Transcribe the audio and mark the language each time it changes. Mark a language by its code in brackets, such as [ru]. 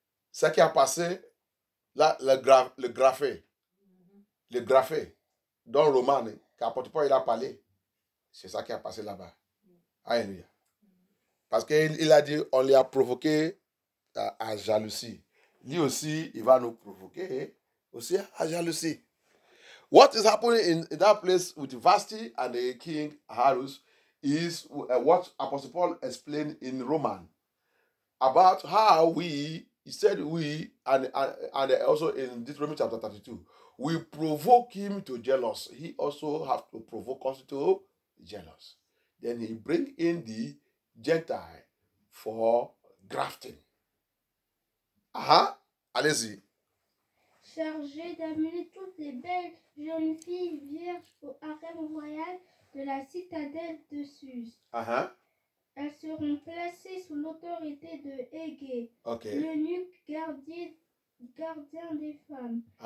[fr] Ce qui a passé, là, le graphé, dans le roman, qu'apporte pas, il a parlé. C'est ça qui a passé là-bas. Alléluia. Parce qu'il a dit, on lui a provoqué à jalousie. Lui aussi, il va nous provoquer aussi à jalousie. [en] What is happening in that place with Vasti and the king Harus is what Apostle Paul explained in Roman about how he said, and also in Deuteronomy chapter 32, we provoke him to jealous. He also have to provoke us to jealous. Then he bring in the Gentile for grafting. [fr] Allez-y. Chargé d'amener toutes les belles jeunes filles vierges au harem royal de la citadelle de Suse. Elles seront placées sous l'autorité de Hégé, l'eunuque gardien des femmes.